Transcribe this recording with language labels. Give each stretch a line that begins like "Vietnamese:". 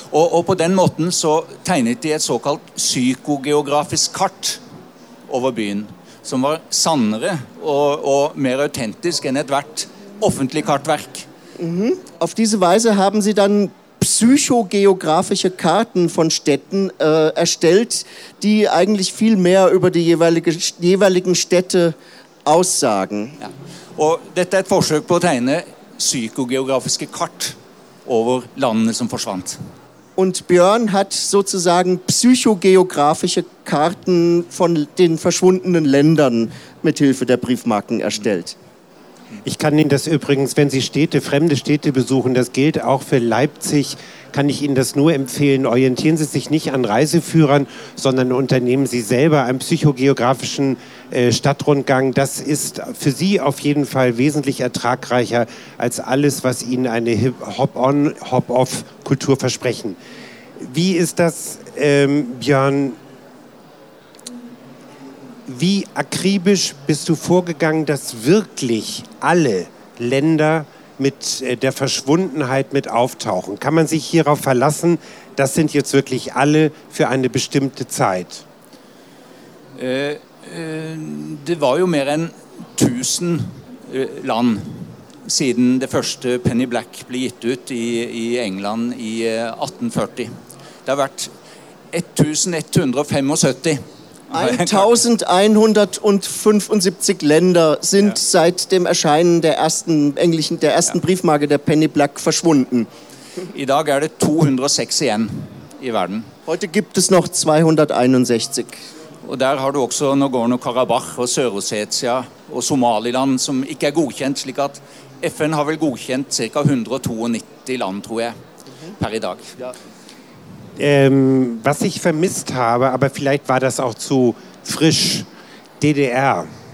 Norwegian: Ja. Og på den måten så tegnet de et såkalt psykogeografisk kart over byen, som var sannere og mer autentisk enn et hvert offentlig kartverk. Mm-hmm.
German: Auf diese Weise haben sie dann psychogeografische Karten von Städten erstellt, die eigentlich viel mehr über die jeweiligen Städte aussagen. Ja.
Norwegian: Og dette et forsøk på å tegne psykogeografiske kart over landene som forsvant.
German: Und Björn hat sozusagen psychogeografische Karten von den verschwundenen Ländern mit Hilfe der Briefmarken erstellt. Ich kann Ihnen das übrigens, wenn Sie fremde Städte besuchen, das gilt auch für Leipzig, kann ich Ihnen das nur empfehlen. Orientieren Sie sich nicht an Reiseführern, sondern unternehmen Sie selber einen psychogeografischen Stadtrundgang. Das ist für Sie auf jeden Fall wesentlich ertragreicher als alles, was Ihnen eine Hop-on, Hop-off-Kultur versprechen. Wie ist das, Björn? Wie akribisch bist du vorgegangen, dass wirklich alle Länder mit der Verschwundenheit mit auftauchen? Kann man sich hierauf verlassen, das sind jetzt wirklich alle für eine bestimmte Zeit?
Norwegian: Det var jo mer enn 1000 land siden det første Penny Black ble gitt ut i England i 1840. Det har vært 1175.
German: 1175 Länder sind ja. seit dem Erscheinen der ersten Briefmarke der Penny Black verschwunden.
Norwegian: I dag er det 206 igjen i verden.
German: Heute gibt es noch 261.
Norwegian: Og der har du også Nagorno-Karabakh og Sør-Ossetia og Somaliland som ikke godkjent, slik at FN har vel godkjent ca. 192 land, tror jeg, per i dag. Ja.
German: Was ich vermisst habe, aber vielleicht war das auch zu frisch, DDR.